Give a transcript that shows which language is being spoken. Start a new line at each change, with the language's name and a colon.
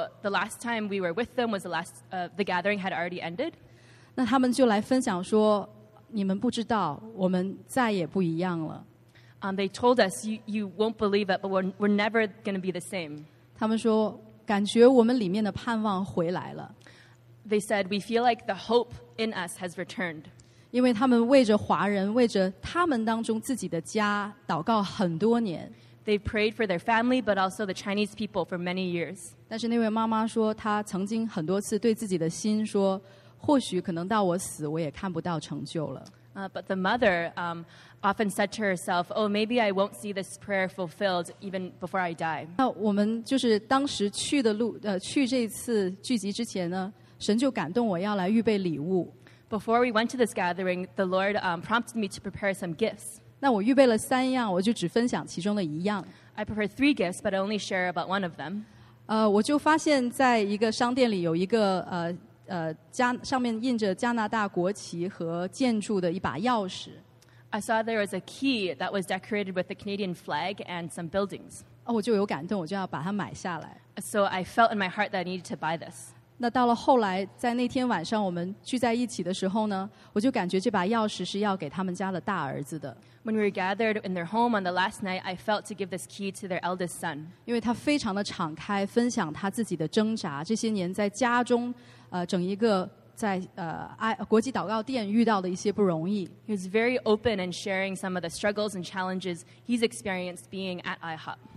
English: the last time we were with them was the last, the gathering had already ended.
Chinese: 那他们就来分享说，你们不知道，我们再也不一样了。
English: They told us, you won't believe it, but we're never going to be the same.
Chinese: 他们说，感觉我们里面的盼望回来了。
English: They said, we feel like the hope in us has returned.
Chinese: 因为他们为着华人，为着他们当中自己的家祷告很多年。
English: They prayed for their family, but also the Chinese people for many years.
Chinese: 但是那位妈妈说，她曾经很多次对自己的心说，或许可能到我死，我也看不到成就了。
English: But the mother often said to herself, oh, maybe I won't see this prayer fulfilled even before I die.
Chinese: 那我们就是当时去这次聚集之前呢, 神就感动我要来预备礼物。
English: Before we went to this gathering, the Lord prompted me to prepare some gifts.
Chinese: 那我预备了三样, 我就只分享其中的一样。
English: I prepared three gifts, but I only share about one of them.
Chinese: 我就发现在一个商店里有一个 上面印着加拿大国旗和建筑的一把钥匙。
English: I saw there was a key that was decorated with the Canadian flag and some buildings.
Chinese: 我就有感动, 我就要把它买下来。
English: So I felt in my heart that I needed to buy this.
Chinese: 那到了后来, 在那天晚上我们聚在一起的时候呢, 我就感觉这把钥匙是要给他们家的大儿子的。
English: When we were gathered in their home on the last night, I felt to give this key to their eldest son.
Chinese: 因为他非常的敞开, 分享他自己的挣扎, 这些年在家中, 整一个在国际祷告殿遇到的一些不容易。
English: He was very open in sharing some of the struggles and challenges he's experienced being at IHOP.